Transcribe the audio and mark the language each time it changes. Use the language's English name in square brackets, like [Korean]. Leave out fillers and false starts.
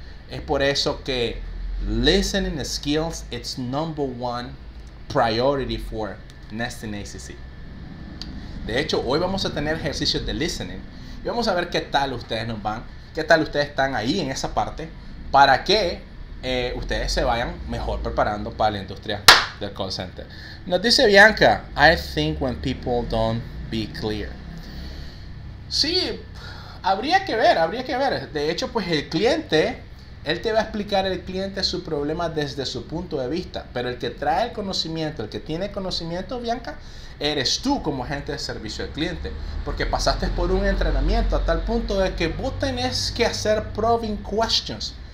[Spanish] Es por eso que [English] listening skills is number one priority for Nesting ACC. [Spanish] De hecho, hoy vamos a tener ejercicios de listening y vamos a ver qué tal ustedes nos van, qué tal ustedes están ahí en esa parte, para que ustedes se vayan mejor preparando para la industria del call center. Nos dice Bianca, [English] I think when people don't be clear. [Spanish] Sí, habría que ver. De hecho, pues el cliente, él te va a explicar el cliente su problema desde su punto de vista. Pero el que trae el conocimiento, el que tiene conocimiento, Bianca, eres tú como agente de servicio al cliente. Porque pasaste por un entrenamiento a tal punto de que vos tenés que hacer probing questions.